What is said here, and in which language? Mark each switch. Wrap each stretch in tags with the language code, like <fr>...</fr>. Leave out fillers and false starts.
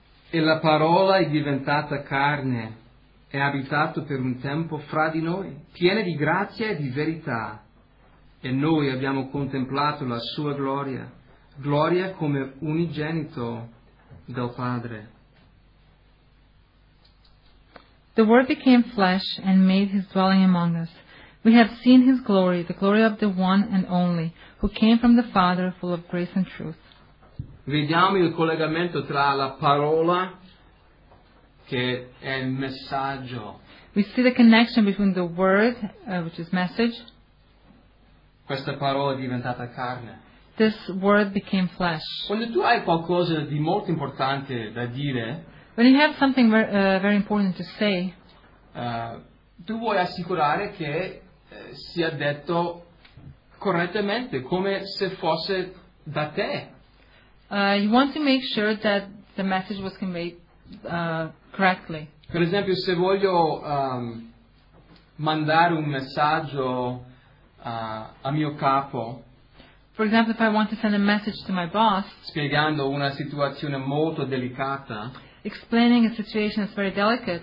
<it>E la parola è diventata carne, è abitato per un tempo fra di noi, piena di grazia e di verità, e noi abbiamo contemplato la sua gloria, gloria come unigenito del Padre.</it> <en>The Word became flesh and made his dwelling among us. We have seen his glory, the glory of the one and only, who came from the Father, full of grace and truth.</en> <it>Vediamo il collegamento tra la parola che è il messaggio.</it> <en>We see the connection between the word, which is message.</en> <it>Questa parola è diventata carne.</it> <en>This word became flesh.</en> <it>Quando tu hai qualcosa di molto importante da dire,</it> <en>when you have something very important to say,</en> <it>tu vuoi assicurare che sia detto correttamente, come se fosse da te.</it> <en>You want to make sure that the message was conveyed correctly.</en> <it>Per esempio, se voglio mandare un messaggio a mio capo.</it> <en>For example, if I want to send a message to my boss.</en> <it>Spiegando una situazione molto delicata.</it> <en>Explaining a situation that's very delicate.</en>